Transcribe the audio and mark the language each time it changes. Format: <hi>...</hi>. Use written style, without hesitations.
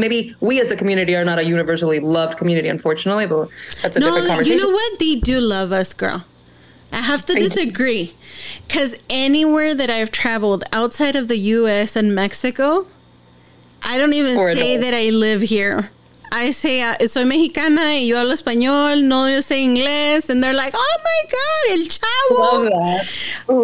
<en>Maybe we as a community are not a universally loved community, unfortunately, but that's a different conversation. You know what? They do love us, girl. I have to disagree. Because anywhere that I've traveled outside of the U.S. and Mexico, I don't even say that I live here. I say,</en> <es>soy mexicana y yo hablo español, no yo sé inglés.</es> <en>And they're like, oh my God, el chavo.</en>